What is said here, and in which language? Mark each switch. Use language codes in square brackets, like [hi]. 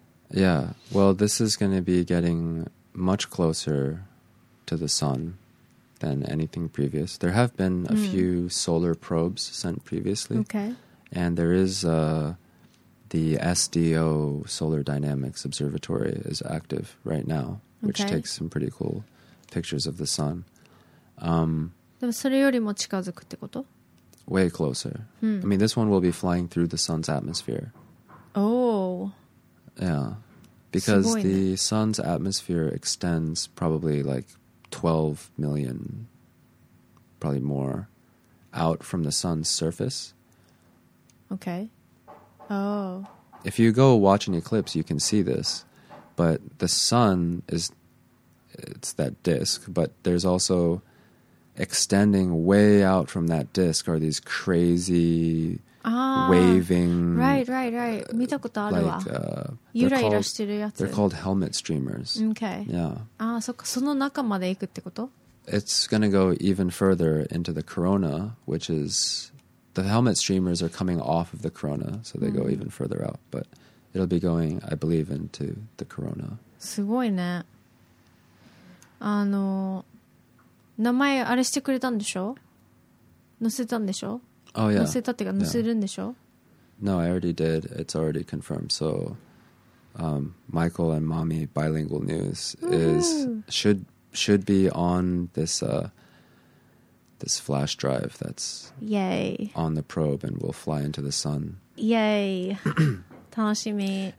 [en] Yeah, well this is going to be getting much closer to the sun than anything previous. There have been a few solar probes sent previously. Okay. And there is aThe SDO Solar Dynamics Observatory is active right now, which takes some pretty cool pictures of the sun. [ja] でもそれよりも近づくってこと? [en] Way closer. I mean, this one will be flying through the sun's atmosphere. Oh. Yeah. Because the sun's atmosphere extends probably like 12 million, probably more, out from the sun's surface. Okay. Oh. If you go watch an eclipse, you can see this. But the sun is, it's that disk, but there's also extending way out from that disk are these crazy waving... [ja] Right. 見たことあるわ。 [en] Like, [ja] ゆらゆらしてるやつ。 [en] They're called helmet streamers. Okay. Yeah. [ja] ああ、そっか。その中まで行くってこと? [en] It's going to go even further into the corona, which is... The helmet streamers are coming off of the corona, so they go even further out. But it'll be going, I believe, into the corona. [ja] すごいね。あの、名前あれしてくれたんでしょ? 載せたんでしょ? [en] Oh, yeah. [ja] 載せたってか、載せるんでしょ? [en] No, I already did. It's already confirmed. So, Michael and Mommy Bilingual News should be on this... This flash drive that's Yay. On the probe and will fly into the sun. Yay! [ja] 楽しみ.